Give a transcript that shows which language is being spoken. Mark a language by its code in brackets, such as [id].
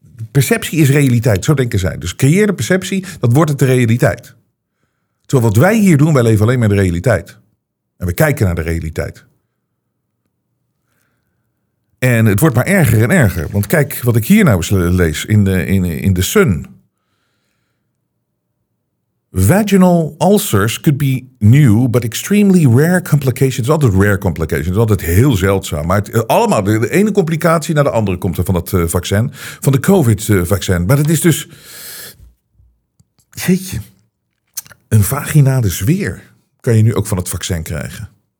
[nl] Perceptie is realiteit, zo denken zij. Dus creëer de perceptie, dat wordt het de realiteit. Terwijl wat wij hier doen, wij leven alleen maar de realiteit. En we kijken naar de realiteit. En het wordt maar erger en erger. Want kijk wat ik hier nou eens lees in de Sun. [en] Vaginal ulcers could be new, but extremely rare complications. [nl] Het is altijd [en] rare complications, [nl] het is altijd heel zeldzaam. Maar allemaal, de ene complicatie naar de andere komt er van dat vaccin. Van de COVID-vaccin. Maar het is dus, jeetje, een vaginale zweer kan je nu ook van het vaccin krijgen.